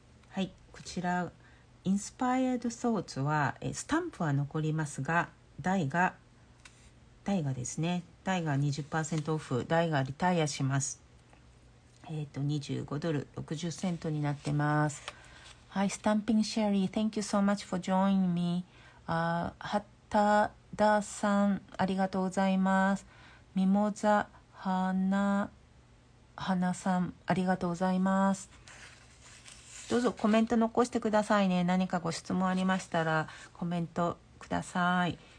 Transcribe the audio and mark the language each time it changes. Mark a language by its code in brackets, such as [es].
[ja] はい、こちらインスパイアドソーツはスタンプは残りますが、台がですね、台が 20% オフ、台がリタイアします。 $25.60になってます。 [en] Hi Stamping Sherry, thank you so much for joining me. [ja] ハッタダさん、ありがとうございます。ミモザハナハナさん、ありがとうございます。どうぞコメント残してくださいね。何かご質問ありましたらコメントください。